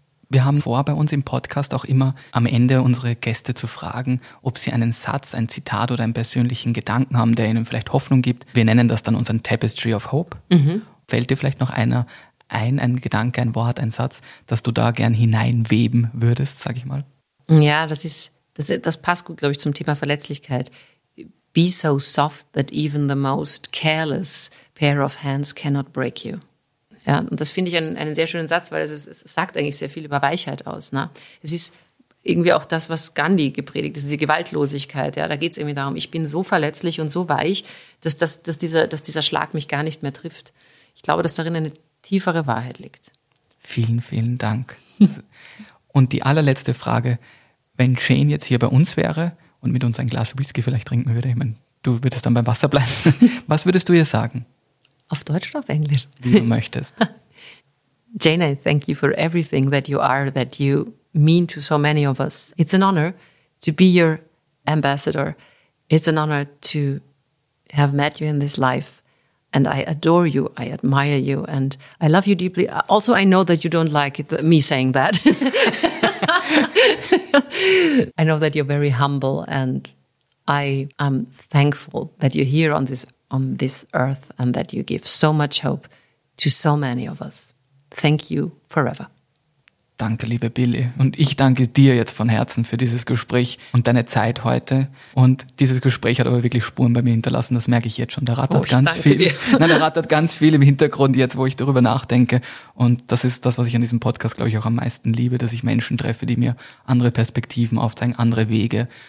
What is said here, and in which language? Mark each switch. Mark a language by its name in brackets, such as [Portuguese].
[German] Wir haben vor, bei uns im Podcast auch immer am Ende unsere Gäste zu fragen, ob sie einen Satz, ein Zitat oder einen persönlichen Gedanken haben, der ihnen vielleicht Hoffnung gibt. Wir nennen das dann unseren Tapestry of Hope. Mhm. Fällt dir vielleicht noch einer ein Gedanke, ein Wort, ein Satz, dass du da gern hineinweben würdest, sage ich mal? Ja, das passt gut, glaube ich, zum Thema Verletzlichkeit. [English] Be so soft that even the most careless pair of hands cannot break you. [German] Ja, und das finde ich einen sehr schönen Satz, weil es sagt eigentlich sehr viel über Weichheit aus. Ne? Es ist irgendwie auch das, was Gandhi gepredigt hat, diese Gewaltlosigkeit. Ja, da geht es irgendwie darum, ich bin so verletzlich und so weich, dass dieser Schlag mich gar nicht mehr trifft. Ich glaube, dass darin eine tiefere Wahrheit liegt. Vielen, vielen Dank. Und die allerletzte Frage, wenn Jane jetzt hier bei uns wäre und mit uns ein Glas Whisky vielleicht trinken würde, ich meine, du würdest dann beim Wasser bleiben, was würdest du ihr sagen? Auf Deutsch oder auf Englisch? Wie du möchtest. [English] Jane, I thank you for everything that you are, that you mean to so many of us. It's an honor to be your ambassador. It's an honor to have met you in this life. And I adore you, I admire you, and I love you deeply. Also, I know that you don't like it, me saying that. I know that you're very humble, and I am thankful that you're here on this on this earth and that you give so much hope to so many of us. Thank you forever. [German] Danke, liebe Billy. Und ich danke dir jetzt von Herzen für dieses Gespräch und deine Zeit heute. Und dieses Gespräch hat aber wirklich Spuren bei mir hinterlassen, das merke ich jetzt schon. Der rattert ganz viel im Hintergrund jetzt, wo ich darüber nachdenke. Und das ist das, was ich an diesem Podcast, glaube ich, auch am meisten liebe, dass ich Menschen treffe, die mir andere Perspektiven aufzeigen, andere Wege.